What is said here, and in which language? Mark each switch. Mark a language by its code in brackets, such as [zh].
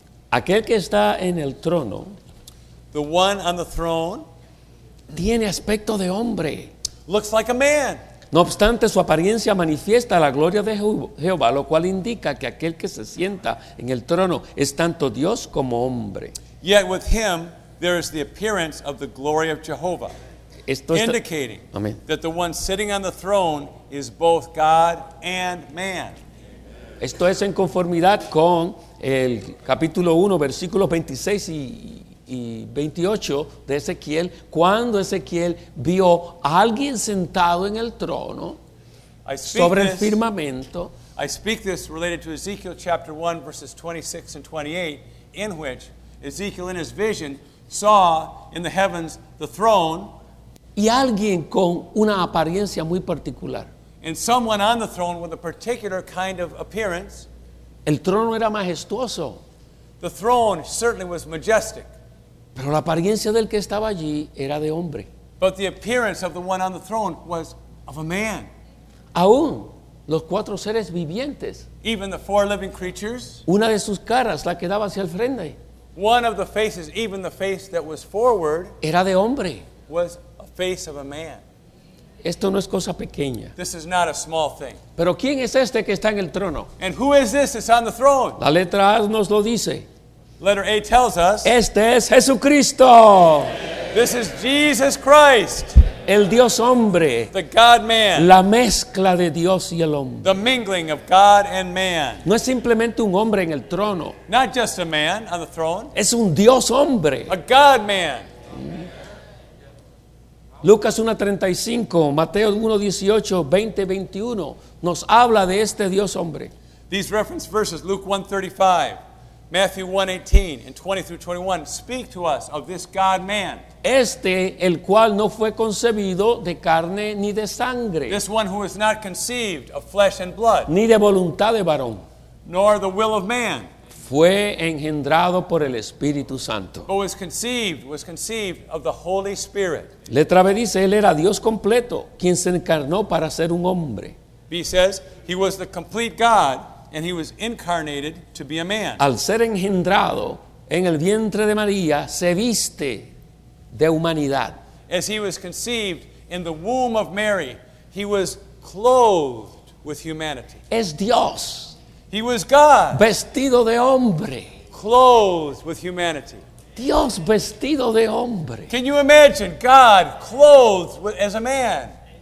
[es] Aquel que está en el trono. [en] The one on the throne. [es] Tiene aspecto de hombre. [en] Looks like a man. [es] No obstante, su apariencia manifiesta la gloria de Jehová, lo cual indica que aquel que se sienta en el trono es tanto Dios como hombre. [en] Yet with him, there is the appearance of the glory of Jehovah. [es] Esto está, [en] indicating amen. That the one sitting on the throne is both God and man. [es] Esto es en conformidad con el capítulo 1, versículos 26 y 28 de Ezequiel, cuando Ezequiel vio a alguien sentado en el trono sobre el firmamento. [en] I speak this related to Ezekiel chapter 1, verses 26 and 28, in which Ezekiel in his vision saw in the heavens the throne. [es] Y alguien con una apariencia muy particular. [en] And someone on the throne with a particular kind of appearance. [es] El trono era majestuoso. [en] The throne certainly was majestic. [es] Pero la apariencia del que estaba allí era de hombre. [en] But the appearance of the one on the throne was of a man. [es] Aún los cuatro seres vivientes. [en] Even the four living creatures. [es] Una de sus caras, la que daba hacia el frente. [en] One of the faces, even the face that was forward. [es] Era de hombre. [en] Was a face of a man. [es] Esto no es cosa pequeña. [en] This is not a small thing. [es] Pero ¿quién es este que está en el trono? [en] And who is this that's on the throne? [es] La letra A nos lo dice. [en] Letter A tells us. [es] Este es Jesucristo. [en] This is Jesus Christ. [es] El Dios hombre. [en] The God man. [es] La mezcla de Dios y el hombre. [en] The mingling of God and man. [es] No es simplemente un hombre en el trono. [en] Not just a man on the throne. [es] Es un Dios hombre. [en] A God man. [es] Lucas 1:35, Mateo 1:18, 20:21 nos habla de este Dios hombre. [en] These reference verses, Luke 1:35, Matthew 1:18 and 20-21 speak to us of this God man. [es] Este el cual no fue concebido de carne ni de sangre. [en] This one who is not conceived of flesh and blood. [es] Ni de voluntad de varón. [en] Nor the will of man. [es] Fue engendrado por el Espíritu Santo. [en] Who was conceived of the Holy Spirit. [es] Letra B dice, él era Dios completo, quien se encarnó para ser un hombre. [en] B says, he was the complete God, and he was incarnated to be a man. [es] Al ser engendrado en el vientre de María, se viste de humanidad. [en] As he was conceived in the womb of Mary, he was clothed with humanity. [es] Es Dios. [en] He was God. [es] Vestido de hombre. [en] Clothed with humanity. [es] Dios vestido de hombre. [en] Can you imagine God clothed as a man?